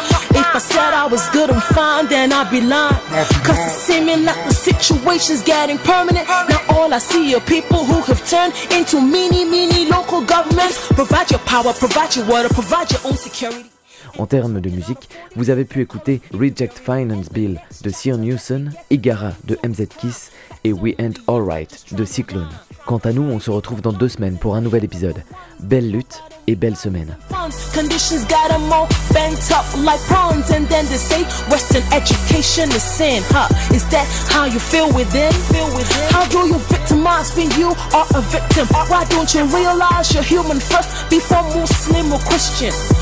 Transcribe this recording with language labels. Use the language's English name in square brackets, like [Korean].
[English] If I said I was good and fine, then I'd be lying. Cause it's seeming like the situation's getting permanent. Now all I see are people who have turned into mini, mini local governments. Provide your power, provide your water, provide your own security. [French] En termes de musique, vous avez pu écouter Reject Finance Bill de Sir Newson, Igara de MZ Kiss et We Ain't Alright de Cyclone. Quant à nous, on se retrouve dans deux semaines pour un nouvel épisode. Belle lutte et belle semaine. [English] Conditions got them all bent up like prawns. And then they say Western education is sin. Huh? Is that how you feel within? How do you victimize when you are a victim? Why don't you realize you're human first before Muslim or Christian?